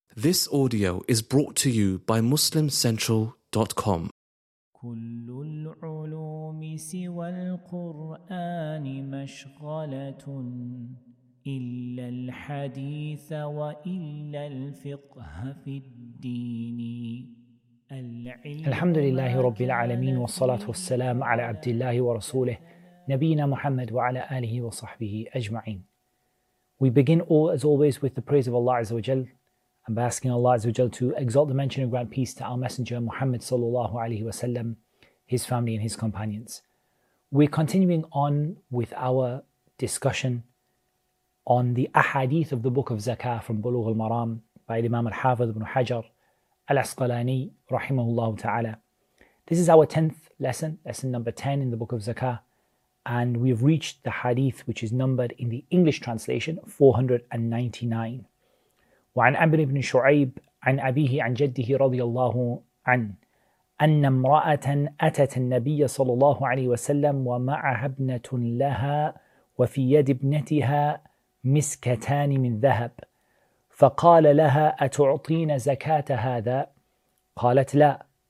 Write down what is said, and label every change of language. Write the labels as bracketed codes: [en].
[en] This audio is brought to you by MuslimCentral.com. [ar] كل العلوم سوى القرآن مشغلة إلا الحديث وإلا الفقه في الدين. الحمد لله رب العالمين والصلاة والسلام على عبد الله ورسوله نبينا محمد وعلى آله وصحبه أجمعين. [en] We begin all as always with the praise of Allah عز وجل. And by asking Allah Azza wa Jal to exalt the mention and grant peace to our Messenger Muhammad sallallahu alaihi wasallam, his family and his companions. We're continuing on with our discussion on the ahadith of the book of Zakah from Bulugh al-Maram by Imam al-Hafidh ibn Hajar al-Asqalani rahimahullah ta'ala. This is our 10th lesson, lesson number 10 in the book of Zakah. And we've reached the hadith which is numbered in the English translation 499. [ar] وعن عمرو بن شعيب عن أبيه عن جده رضي الله عنه أن امرأة أتت النبي صلى الله عليه وسلم ومعها ابنة لها وفي يد ابنتها مسكتان من ذهب فقال لها أتعطين زكاة هذا؟ قالت لا.